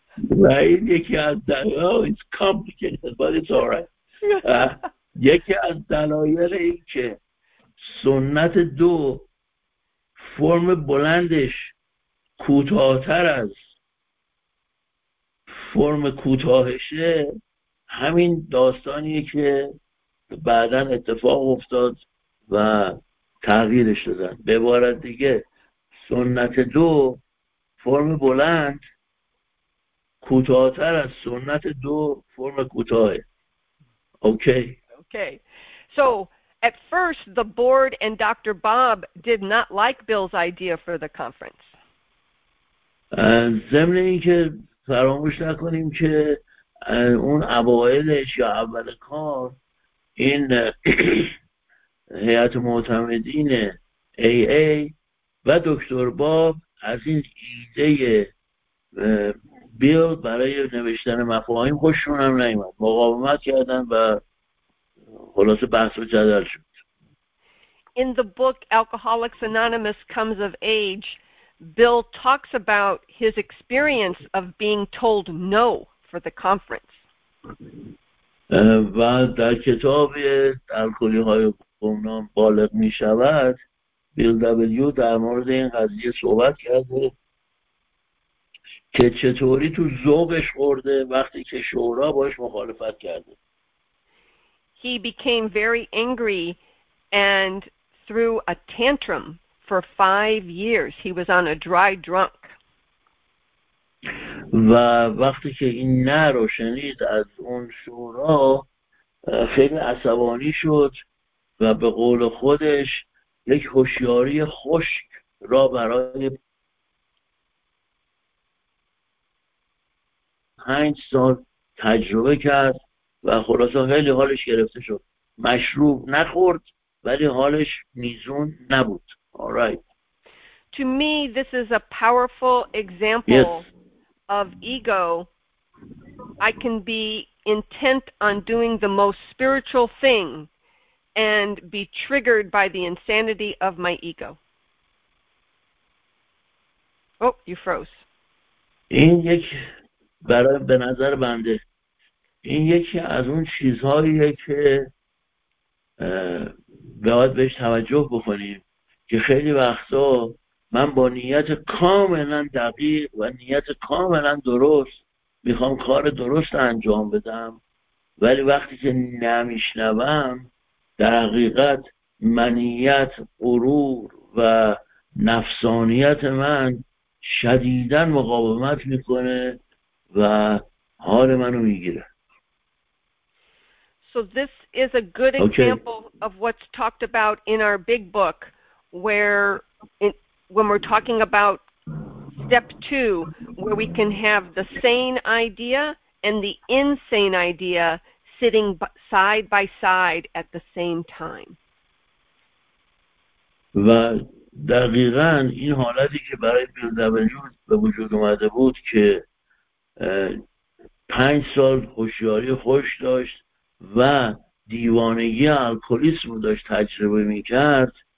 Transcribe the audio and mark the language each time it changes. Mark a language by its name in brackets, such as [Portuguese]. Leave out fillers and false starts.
[English] Right, you can't say, oh, it's complicated, but it's all right. [Persian] یکی از دلایل این که سنت دو فرم بلندش کوتاه‌تر از فرم کوتاهشه همین داستانیه که بعداً اتفاق افتاد و تغییرش دادن. به عبارت دیگه سنت دو فرم بلند کوتاه‌تر از سنت دو فرم کوتاه. اوکی. [English] Okay, so at first the board and Dr. Bob did not like Bill's idea for the conference. [Persian] ضمن اینکه فراموش نکنیم که اون اوائلش یا اول کار این هیئت معتمدین AA و دکتر باب از این ایده بیل برای نوشتن مفاهیم خوششون هم نیومد. مقاومت کردن و خلاصه بحث و جدل شد. [English] in the book Alcoholics Anonymous Comes of Age, Bill talks about his experience of being told no for the conference. [Persian] و در کتاب الکلی های گمنام بالغ می شود بیل دبلیو در مورد این قضیه صحبت کرده که چطوری تو ذوقش خورده وقتی که شورا باش مخالفت کرده. [English] He became very angry and threw a tantrum for 5 years. He was on a dry drunk. [Persian] و وقتی که این نه رو شنید از اون شورا خیلی عصبانی شد و به قول خودش یک هوشیاری خشک را برای 5 سال تجربه کرد و خلاصه خیلی حالش گرفته شد. مشروب نخورد ولی حالش میزون نبود. [English] All right. To me, this is a powerful example. Yes. Of ego, I can be intent on doing the most spiritual thing and be triggered by the insanity of my ego. Oh, you froze. [Persian] این یک برای به نظر بنده این یکی از اون چیزهاییه که باید بهش توجه بکنیم که خیلی وقتا من با نیت کاملا دقیق و نیت کاملا درست میخوام کار درست انجام بدم ولی وقتی که نمیشنوم در حقیقت منیت غرور و نفسانیت من شدیداً مقاومت میکنه و حال منو میگیره. [English] So this is a good example of what's talked about in our big book when we're talking about step two, where we can have the sane idea and the insane idea sitting side by side at the same time. [Persian] و دقیقا این حالتی که برای بیل دبلیو به وجود اومده بود که 5 سال هوشیاری خوش داشت و دیوانگی الکلیسم رو داشت تجربه می کرد